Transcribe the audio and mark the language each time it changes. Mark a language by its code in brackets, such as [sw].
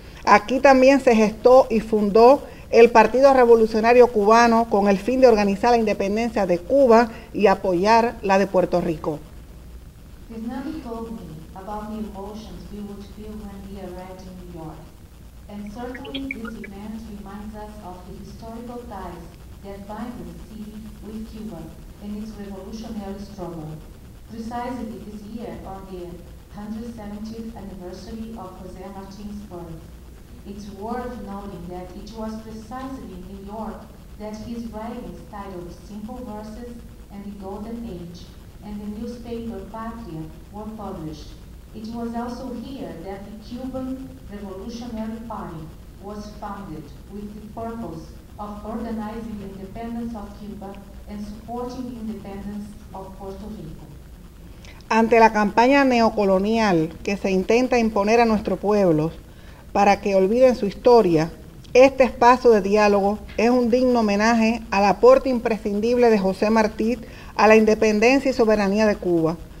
[es] Aquí también se gestó y fundó el Partido Revolucionario Cubano con el fin de organizar la independencia de Cuba y apoyar la de Puerto Rico. [en] Fernando told me about the emotions we would feel when we arrived in New York. And certainly this event reminds us of the historical ties that bind the city with Cuba in its revolutionary struggle. Precisely this year, on the 170th anniversary of José Martín's birth, it's worth noting that it was precisely in New York that his writings titled Simple Verses and the Golden Age and the newspaper Patria were published. It was also here that the Cuban Revolutionary Party was founded with the purpose of organizing the independence of Cuba and supporting the independence of Puerto Rico. [es] Ante la campaña neocolonial que se intenta imponer a nuestro pueblo, para que olviden su historia, este espacio de diálogo es un digno homenaje al aporte imprescindible de José Martí a la independencia y soberanía de Cuba.